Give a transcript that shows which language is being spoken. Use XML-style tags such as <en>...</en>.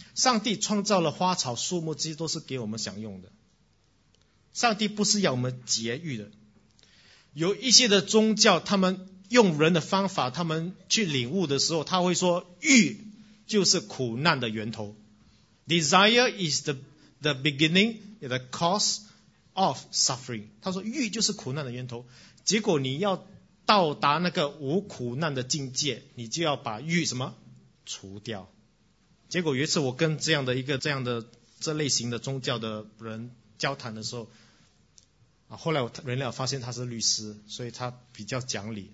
<zh>上帝创造了花草树木，这些都是给我们享用的，上帝不是要我们节欲的。有一些的宗教，他们用人的方法，他们去领悟的时候，他会说欲就是苦难的源头。</zh> <en>Desire is the beginning, the cause of suffering.</en> <zh>他说欲就是苦难的源头，结果你要到达那个无苦难的境界，你就要把欲什么除掉。结果有一次我跟这样的一个这样的这类型的宗教的人交谈的时候，啊，后来我人了发现他是律师，所以他比较讲理。</zh>